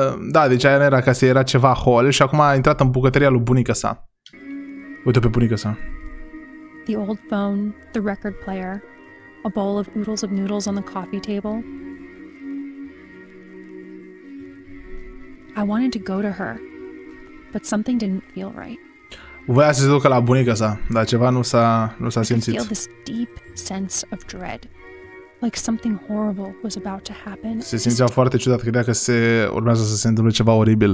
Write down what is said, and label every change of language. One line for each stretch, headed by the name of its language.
Romanian: da, deci aia nu era casă, era ceva hol și acum a intrat în bucătăria lui bunica sa. Uite-o pe bunica sa.
English: The old phone, the record player, a bowl of oodles of noodles on the coffee table. I wanted to go to her, but something didn't feel right.
Romanian: Voia să se ducă la bunica sa, dar ceva nu s-a simțit.
English: I could feel this deep sense of dread, like something horrible was about to happen.
Romanian: Se simțea foarte ciudat, credea că se urmează să se întâmple ceva oribil.